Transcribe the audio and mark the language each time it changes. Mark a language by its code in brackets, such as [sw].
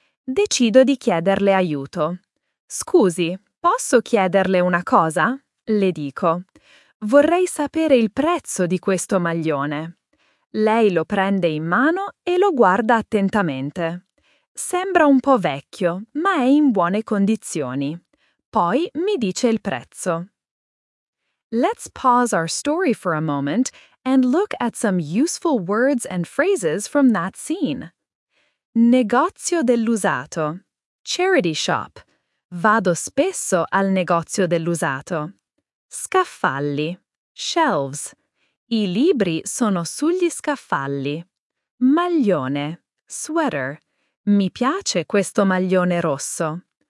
[it] Decido di chiederle aiuto. «Scusi, posso chiederle una cosa?» le dico. «Vorrei sapere il prezzo di questo maglione». Lei lo prende in mano e lo guarda attentamente. Sembra un po' vecchio, ma è in buone condizioni. Poi mi dice il prezzo. [en] Let's pause our story for a moment and look at some useful words and phrases from that scene. [it] Negozio dell'usato. [en] Charity shop. [it] Vado spesso al negozio dell'usato. Scaffali. [en] Shelves. [it] I libri sono sugli scaffali. Maglione. [en] Sweater. [it] Mi piace questo maglione rosso.